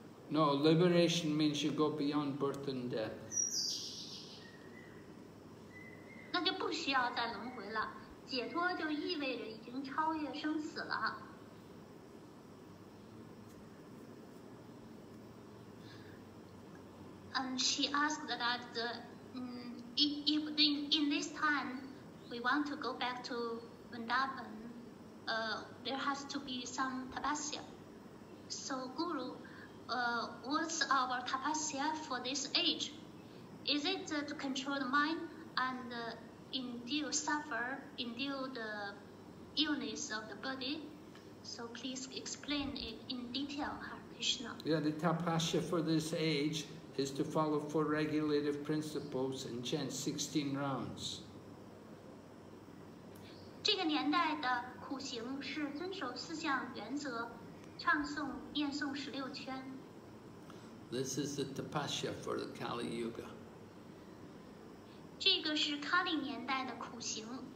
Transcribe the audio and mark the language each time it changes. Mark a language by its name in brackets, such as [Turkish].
[English] No, liberation means you go beyond birth and death. [Chinese] 那就不需要再轮回了，解脱就意味着已经超越生死了。 [English] And she asked that if in this time we want to go back to Vrindavan, there has to be some tapasya. So Guru, what's our tapasya for this age? Is it to control the mind and endure the illness of the body? So please explain it in detail, Hare Krishna. Yeah, the tapasya for this age is to follow four regulative principles and chant 16 rounds. [Chinese] 这个年代的苦行是遵守四项原则，唱诵念诵十六圈。 [English] This is the tapasya for the Kali Yuga. [Chinese] 这个是卡利年代的苦行。